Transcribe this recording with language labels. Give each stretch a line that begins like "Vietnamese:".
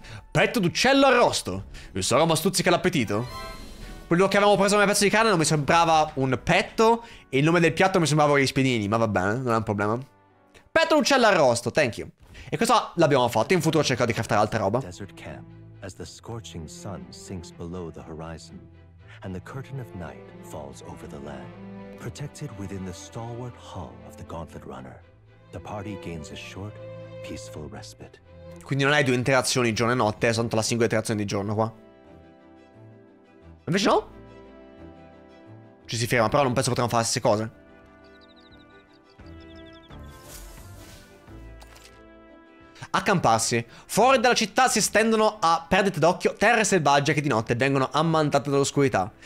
Italian: Petto d'uccello arrosto. Il suo aroma stuzzica l'appetito. quello che avevamo preso come pezzo di carne non mi sembrava un petto, e il nome del piatto mi sembrava gli spiedini, ma va bene, non è un problema. Petto d'uccello arrosto,
English: thank you.
Italian: E questo l'abbiamo fatto, in futuro cercherò di craftare altra roba.
English: Desert camp, as the scorching sun sinks below the horizon, and the curtain of night falls over the land, protected within the stalwart hull of the Gauntlet Runner, the party gains a short, peaceful respite.
Italian: Quindi non hai due interazioni giorno e notte, è soltanto la singola interazione di giorno qua. Invece no? Ci si ferma, però non penso potremmo fare le stesse cose. Accamparsi. Fuori dalla città si estendono a perdite d'occhio terre selvagge che di notte vengono ammantate dall'oscurità.